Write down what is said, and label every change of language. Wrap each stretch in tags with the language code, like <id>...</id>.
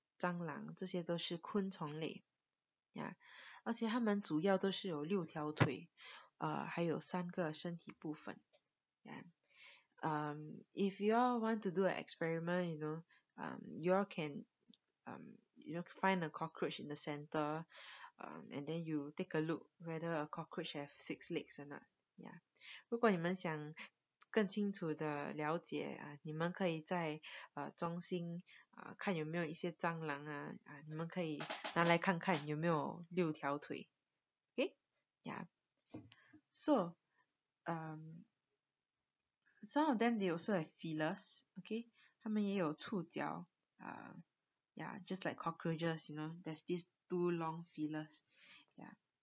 <zh>蟑螂这些都是昆虫类呀，而且它们主要都是有六条腿，还有三个身体部分。</zh> <en>呀 if you all want to do an experiment, you know, you all can you know, find a cockroach in the center, and then you take a look whether a cockroach has six legs or not. Yeah.</en> <zh>如果你们想更清楚的了解，你们可以在中心看有没有一些蟑螂，你们可以拿来看看有没有六条腿。</zh> <en>Okay? Yeah. So, some of them, they also have feelers, okay?</en> <zh>他们也有触角,</zh> <en>yeah, just like cockroaches, you know, there's these two long feelers, yeah.</en>